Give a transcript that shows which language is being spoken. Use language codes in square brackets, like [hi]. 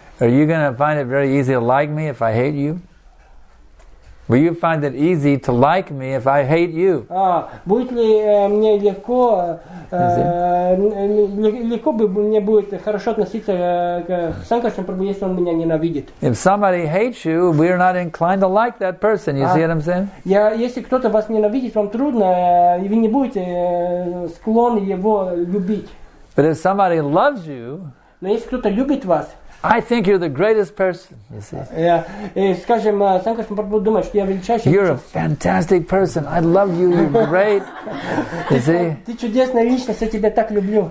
[en] Are you going to find it very easy to like me if I hate you? Will you find it easy to like me if I hate you? [ru] Будет ли мне легко легко бы мне будет хорошо относиться к Санкашне Прабху, если он меня ненавидит? [en] If somebody hates you, we are not inclined to like that person. You see what I'm saying? [ru] Я если кто-то вас ненавидит, вам трудно, и вы не будете склонны его любить. [en] But if somebody loves you, [ru] но если кто-то любит вас. [en] I think you're the greatest person, you see. [ru] Скажем, Санкашна Прабху думает, что я величайший. [en] You're a fantastic person. I love you. You're great. You see? [ru] Ты чудесная личность, я тебя так люблю.